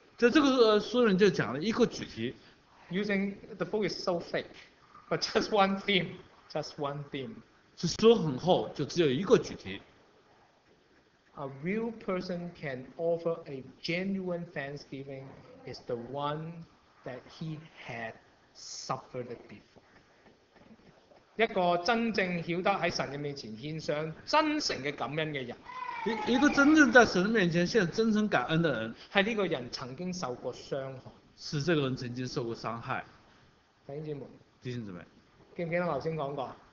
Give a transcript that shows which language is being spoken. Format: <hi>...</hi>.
<zh>在这个书人就讲了一个主题。</zh> <en>Using the book is so thick, but just one theme, just one theme.</en> <zh>是书很厚，就只有一个主题。</zh> <en>A real person can offer a genuine thanksgiving is the one that he had suffered before.</en> <zh>一个真正晓得在神的面前献上真诚的感恩的人，一个真正在神的面前献真诚感恩的人，是这个人曾经受过伤害。是这个人曾经受过伤害。弟兄姊妹，弟兄姊妹，记不记得我刚才讲过？</zh>